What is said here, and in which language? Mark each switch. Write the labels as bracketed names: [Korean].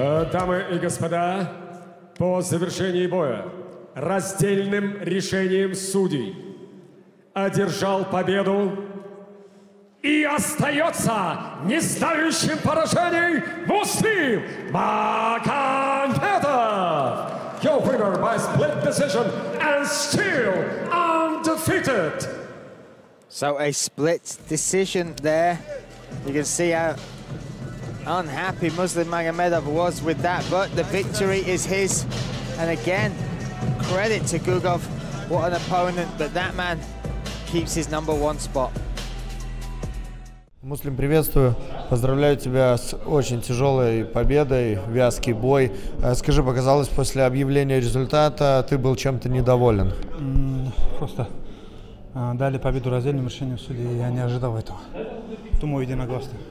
[Russian] Дамы и господа, по завершении боя раздельным решением судей одержал победу и остается не знающим поражений Муслим Магомедов. [English] Your winner by split decision and still undefeated. So a split decision there. You can see how unhappy Muslim Magomedov was with that, but the victory is his. And again, credit to Gugov. What an opponent, but that man keeps his number one spot. [Russian] Муслим, приветствую. Поздравляю тебя с очень тяжелой победой, вязкий бой. Скажи, показалось, после объявления результата ты был чем-то недоволен? Просто дали победу раздельным решением судей, я не ожидал этого. Думаю, единогласно.